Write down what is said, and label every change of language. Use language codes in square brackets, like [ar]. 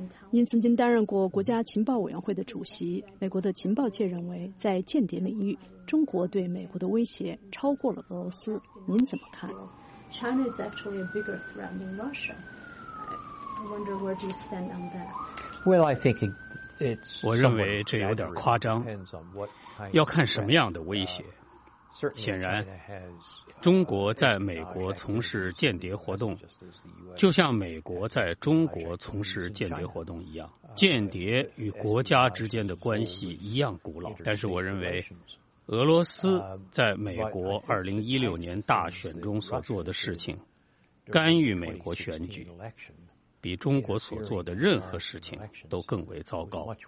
[zh] 您曾经担任过国家情报委员会的主席。美国的情报界认为，在间谍领域，中国对美国的威胁超过了俄罗斯。您怎么看？ [en] China is actually a bigger threat than Russia. I wonder where do you stand on that? Well, I think it's [zh] 我认为这有点夸张，要看什么样的威胁。显然，中国在美国从事间谍活动，就像美国在中国从事间谍活动一样。间谍与国家之间的关系一样古老，但是我认为，俄罗斯在美国2016年大选中所做的事情，干预美国选举，比中国所做的任何事情都更为糟糕。